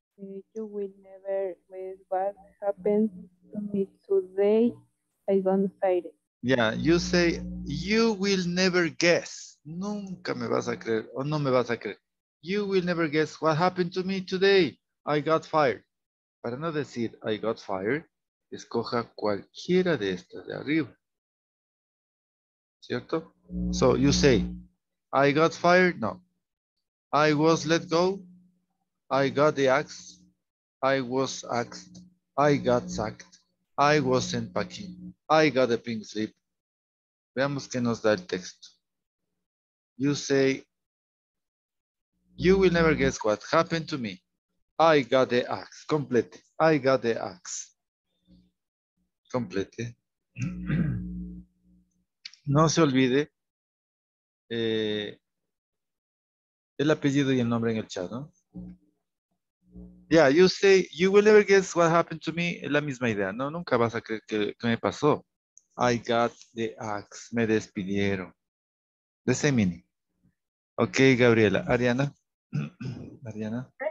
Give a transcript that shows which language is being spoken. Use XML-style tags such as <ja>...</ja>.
<en>You will never with what happened to me today. I don't fight it. Yeah, you say, you will never guess.</en> <es>Nunca me vas a creer, o no me vas a creer.</es> <en>You will never guess what happened to me today. I got fired.</en> <es>Para no decir,</es> <en>I got fired,</en> <es>escoja cualquiera de estas de arriba. ¿Cierto?</es> <en>So, you say, I got fired? No. I was let go. I got the axe. I was axed. I got sacked. I wasn't packing. I got a pink slip.</en> <es>Veamos qué nos da el texto.</es> <en>You say, you will never guess what happened to me. I got the axe. Complete. I got the axe. Complete.</en> <es>No se olvide el apellido y el nombre en el chat, ¿no?</es> <en>Yeah, you say, you will never guess what happened to me.</en> <es>Es la misma idea, ¿no? Nunca vas a creer que me pasó.</es> <en>I got the axe.</en> <es>Me despidieron.</es> <en>The same meaning. Ok, Gabriela. Ariana. Ariana.</en>